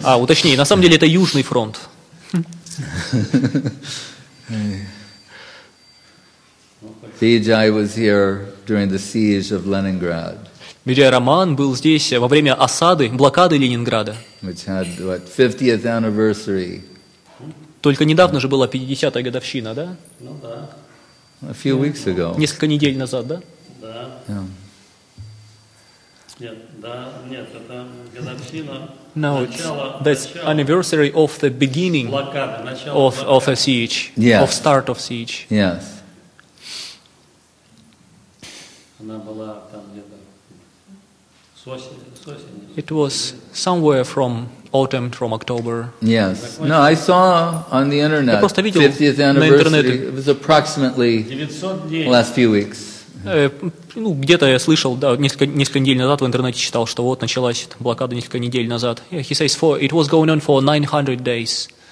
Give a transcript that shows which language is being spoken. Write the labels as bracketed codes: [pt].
[ru] А, уточни, на самом деле это южный фронт. [en] Vijay was here during the siege of Leningrad. [ru] Vijay Raman был здесь во время осады, блокады Ленинграда. [en] Which had, what, 50th anniversary. [ru] Только недавно же была 50-я годовщина, да? Ну да. [en] A few weeks ago. [ru] Несколько недель назад, да? Да. [en] Yeah. [ru] Нет, это годовщина. [en] No, [ru] начало, [en] that's [ru] начало. [en] Anniversary of the beginning of a siege, yes. Of start of siege. Yes. [ru] Она была там где-то с осени. [en] It was somewhere from autumn, from October. Yes. No, I saw on the internet 50th anniversary. It was approximately last few weeks. [ru] Ну, где-то я слышал, да, несколько недель назад в интернете читал, что вот началась блокада несколько недель назад. [en] He says, it was going on for 900 days.